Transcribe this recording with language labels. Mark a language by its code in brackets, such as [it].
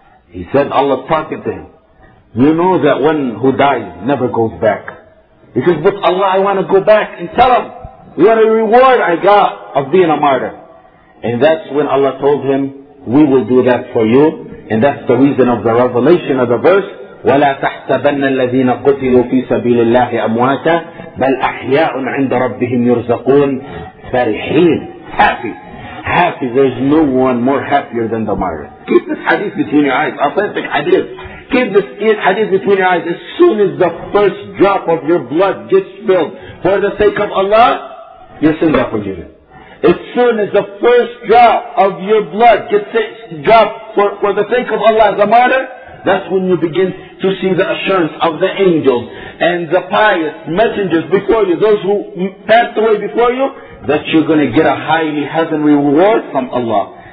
[en] He said, Allah talking to him, you know that one who dies never goes back. He says, but Allah, I want to go back and tell him what a reward I got of being a martyr. And that's when Allah told him, we will do that for you. And that's the reason of the revelation of the verse, [ar] وَلَا تَحْسَبَنَّ الَّذِينَ قُتِلُوا فِي سَبِيلِ اللَّهِ أَمْوَاتًا بَلْ أَحْيَاءٌ عِنْدَ رَبِّهِمْ يُرْزَقُونَ فَرِحِينَ. [en] Happy. happy. There's no one more happier than the martyr. Keep this hadith between your eyes. Authentic hadith. Keep this hadith between your eyes. As soon as the first drop of your blood gets spilled for the sake of Allah, your sins are forgiven. As soon as the first drop of your blood gets dropped for the sake of Allah, the martyr, that's when you begin to see the assurance of the angels and the pious messengers before you, those who passed away before you, that you're going to get a highly heavenly reward from Allah.